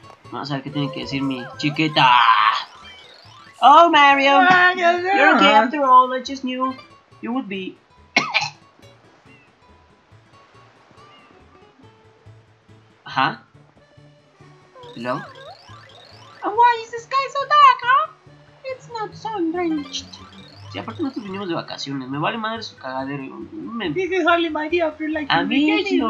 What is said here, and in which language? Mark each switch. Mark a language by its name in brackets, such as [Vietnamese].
[Spanish] Vamos a ver qué tiene que decir mi chiqueta. [English] Oh, Mario, you're okay after all, I just knew you would be. Ajá. Hello? And why is the sky so dark, huh? It's not sun drenched. [Spanish] Sí, aparte nosotros vinimos de vacaciones, me vale madre su cagadero. [English] This is only my day after like the beginning, man.